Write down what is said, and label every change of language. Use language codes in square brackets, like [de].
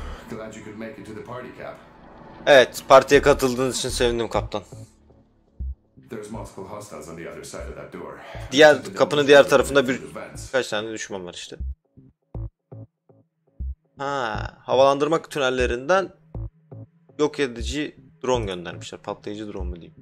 [en] Glad you could make it to the party, Cap. [tr] Evet, partiye katıldığınız için sevindim kaptan. [en] There's multiple hostiles on the other side of that door. [tr] Diğer kapının diğer tarafında bir kaç tane düşman var işte. Ha, havalandırma tünellerinden yok edici drone göndermişler. Patlayıcı drone mu diyeyim?